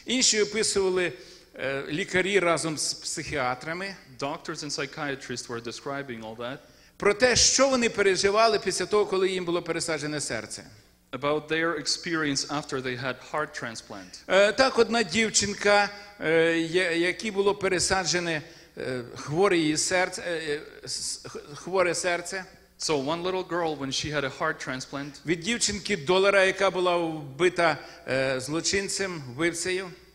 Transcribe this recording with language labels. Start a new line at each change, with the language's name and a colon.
Ukrainian: Інші описували лікарі разом з психіатрами.
English: Doctors and psychiatrists were describing all that.
Ukrainian: Про те, що вони переживали після того, коли їм було пересаджене серце.
English: About their experience after they had heart transplant.
Ukrainian: Так одна дівчинка, якій було пересаджене хворе серце.
English: So one little girl, when she had a heart transplant,
Ukrainian: від дівчинки долара, яка була вбита злочинцем, вбивцею.